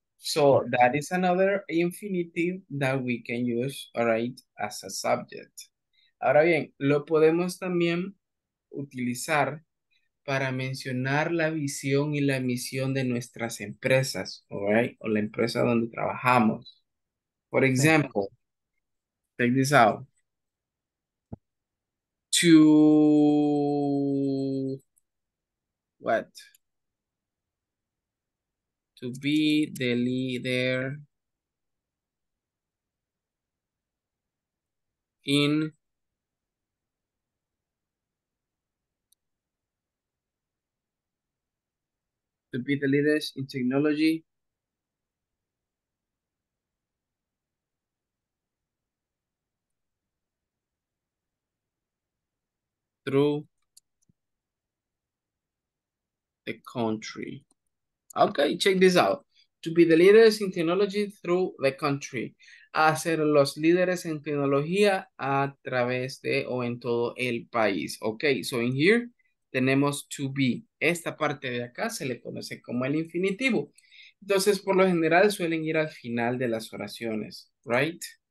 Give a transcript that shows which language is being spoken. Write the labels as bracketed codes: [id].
[en] So that is another infinitive that we can use, all right, as a subject. [es] Ahora bien, lo podemos también utilizar para mencionar la visión y la misión de nuestras empresas, [en] all right, [es] o la empresa donde trabajamos. [en] For example, take this out. To what? to be the leader in to be the leaders in technology through the country. Okay, check this out. To be the leaders in technology through the country. [es] A ser los líderes en tecnología a través de o en todo el país. [en] Okay, so in here, [es] tenemos to be. Esta parte de acá se le conoce como el infinitivo. Entonces, por lo general, suelen ir al final de las oraciones, right?